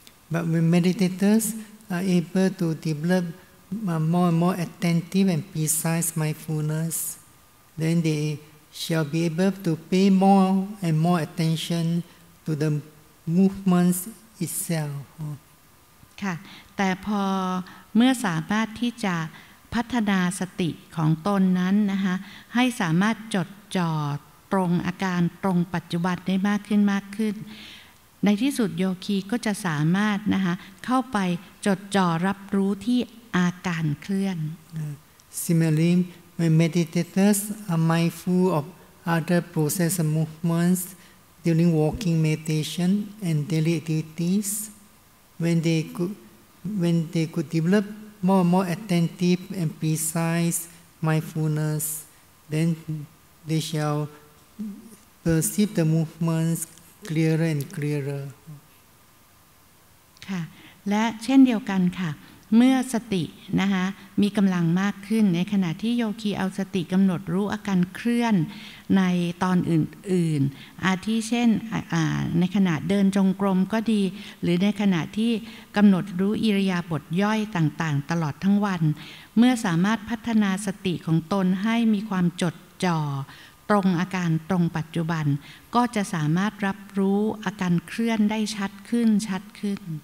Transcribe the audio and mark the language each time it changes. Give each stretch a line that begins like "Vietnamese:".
English: But when meditators are able to develop more and more attentive and precise mindfulness then they shall be able to pay more and more attention to the movements itself
Thai: ค่ะแต่พอเมื่อสามารถที่จะพัฒนาสติของตนนั้นนะคะให้สามารถจดจ่อตรงอาการตรงปัจจุบันได้มากขึ้นมากขึ้นในที่สุดโยคีก็จะสามารถนะคะเข้าไปจดจ่อรับรู้ที่อาการเคลื่อน
English: Similarly, when meditators are mindful of other process movements during walking meditation and daily activities, when they could develop more and more attentive and precise mindfulness, then they shall perceive the movements clearer and clearer.
Thai: ค่ะและเช่นเดียวกันค่ะเมื่อสตินะคะมีกำลังมากขึ้นในขณะที่โยคีเอาสติกำหนดรู้อาการเคลื่อนในตอนอื่นๆอาทิเช่น ในขณะเดินจงกรมก็ดีหรือในขณะที่กำหนดรู้อิริยาบถย่อยต่างๆตลอดทั้งวันเมื่อสามารถพัฒนาสติของตนให้มีความจดจ่อตรงอาการตรงปัจจุบันก็จะสามารถรับรู้อาการเคลื่อนได้ชัดขึ้นชัดขึ้น